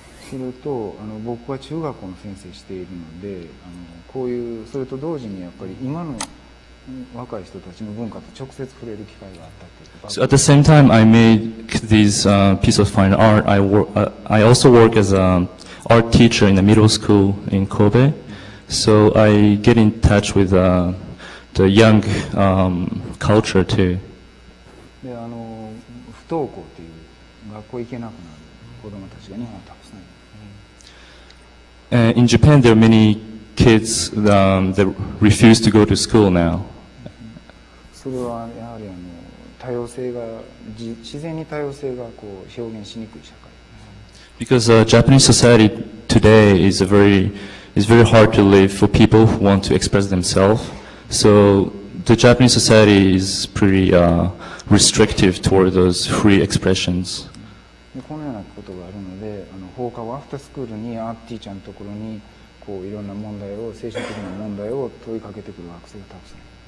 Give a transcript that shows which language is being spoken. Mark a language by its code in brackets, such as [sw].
[ja] それと僕は中学校の先生しているので、こういうそれと同時にやっぱり今の若い人たちの文化と直接触れる機会があったっていう。 [en] So at the same time, I made these piece of fine art. I also work as an art teacher in a middle school in Kobe. So I get in touch with the young culture too. [ja] で、不登校っていう学校行けなくなる子供たちが日本はたくさんいる。 [en] In Japan, there are many kids that refuse to go to school now. [ja] それはやはり多様性が自然に多様性がこう表現しにくい社会。 [en] Because Japanese society today is a very It's very hard to live for people who want to express themselves. So the Japanese society is pretty restrictive toward those free expressions. [ja] このようなことがあるので、放課後アフタースクールにアーティーちゃんのところにこういろんな問題を精神的な問題を問いかけてくる学生がたくさん。